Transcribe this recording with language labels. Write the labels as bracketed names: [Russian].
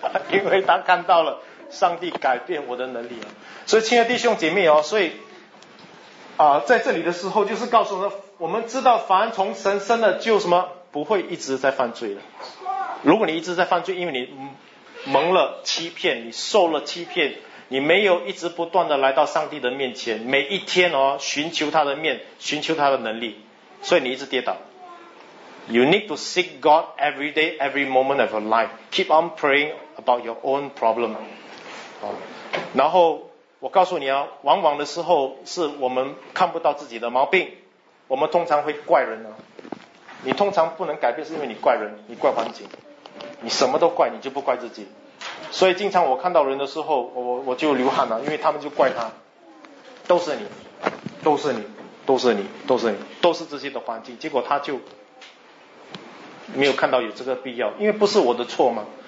[Chinese] 因为他看到了上帝改变我的能力了。所以亲爱的弟兄姐妹哦，所以在这里的时候就是告诉我们，我们知道凡从神生的就什么不会一直在犯罪的。如果你一直在犯罪，因为你蒙了欺骗，你受了欺骗，你没有一直不断的来到上帝的面前，每一天哦寻求他的面，寻求他的能力，所以你一直跌倒。 [English] You need to seek God every day, every moment of your life. Keep on praying about your own problem. [Chinese] 然后我告诉你啊，往往的时候是我们看不到自己的毛病，我们通常会怪人啊。你通常不能改变，是因为你怪人，你怪环境，你什么都怪，你就不怪自己。所以经常我看到人的时候，我就流汗了，因为他们就怪他，都是你，都是自己的环境，结果他就没有看到有这个必要，因为不是我的错嘛。